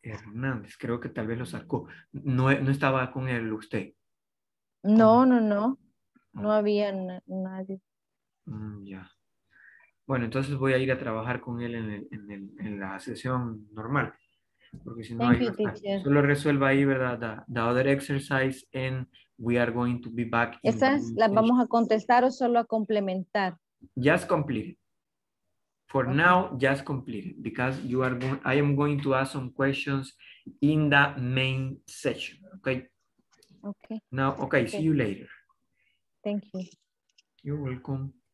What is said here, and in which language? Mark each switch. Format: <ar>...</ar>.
<es>Hernández, creo que tal vez lo sacó, no estaba con él usted. No había nadie. Ya. Bueno, entonces voy a ir a trabajar con él en la sesión normal. Porque si no, solo resuelva ahí, ¿verdad?</es> <en>The other exercise and we are going to be back.</en> <es>¿Esas las vamos a contestar o solo a complementar?</es> <en>Just complete it. For now, just complete it. Because I am going to ask some questions in the main session, okay? Okay. Now, okay, see you later. Thank you. You're welcome.</en>